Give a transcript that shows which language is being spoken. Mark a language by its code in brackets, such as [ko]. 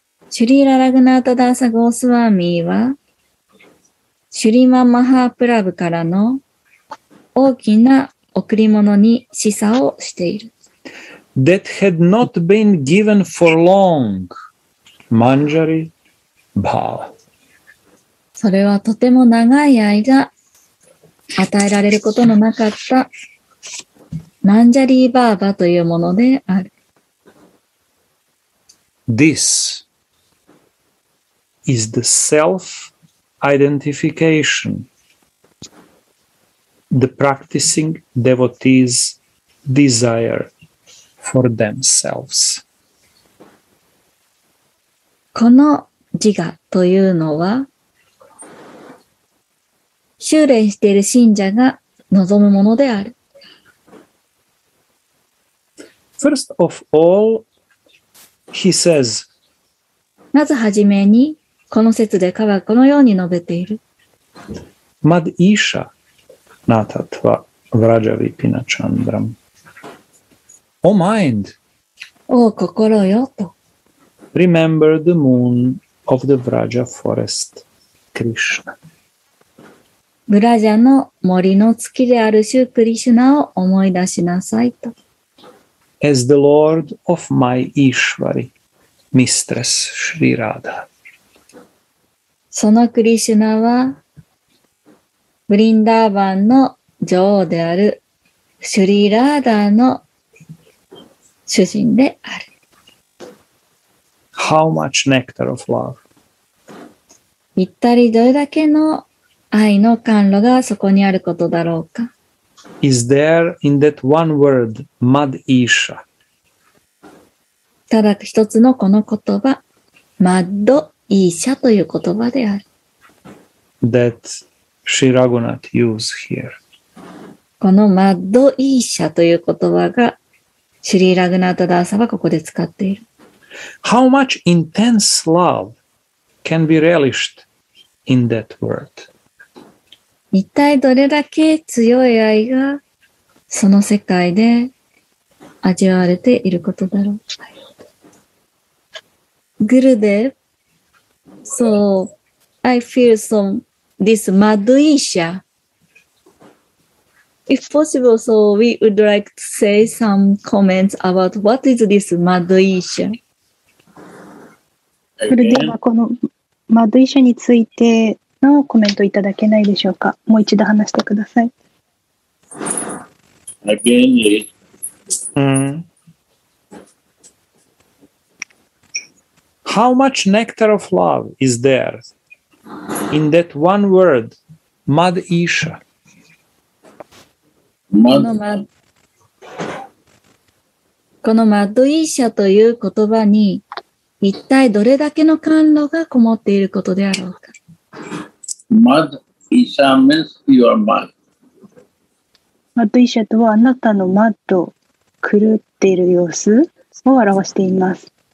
[ja] シュリーラ・ラグナータ・ダーサ・ゴースワーミーはシュリーマン・マハープラブからの大きな贈り物に示唆をしている。 [en] That had not been given for long, Manjari Bhava. [ja] それはとても長い間与えられることのなかったマンジャリーバーバというものである。 [en] This is the self-identification the practicing devotees desire for themselves. [ja] この自我というのは修練している信者が望むものである。 [en] First of all, he says, [ja] まずはじめに、この説で彼はこのように述べている。 [sa] Mad isha natatva vrajavipina chandram. [en] O mind! [ja] お心よと。 [en] Remember the moon of the Vraja forest, Krishna. [ja] ブラジャの森の月であるシュークリシュナを思い出しなさいと。 [en] As the Lord of my Ishvari, Mistress Shri Radha. [ja] そのクリシュナは、ブリンダーバンの女王であるシュリーラーダの主人である。 [en] How much nectar of love? [ja] 一体どれだけの愛の甘露がそこにあることだろうか。 [en] Is there in that one word, Mad Isha? [ja] ただ一つのこの言葉、Mad Isha という言葉である。 [en] That Shri Raghunath used here. [ja] この Mad Isha という言葉が、シリー・ラグナータ・ダーサはここで使っている。 [en] How much intense love can be relished in that word? [ja] 一体どれだけ強い愛がその世界で味わわれていることだろう。 [en] グルデヴ、So I feel some this mad isha. If possible, so we would like to say some comments about what is this mad isha. [ja] グルデヴはこのマッドイシャについてのコメントいただけないでしょうか。もう一度話してください。 [en] Again, How much nectar of love is there in that one word, Mad Isha? [ja] このマッドイシャという言葉に一体どれだけの甘露がこもっていることであろうか。 [en] Mad Isha means your mad. [ja] Mad Isha とはあなたのマッド、狂っている様子を表しています。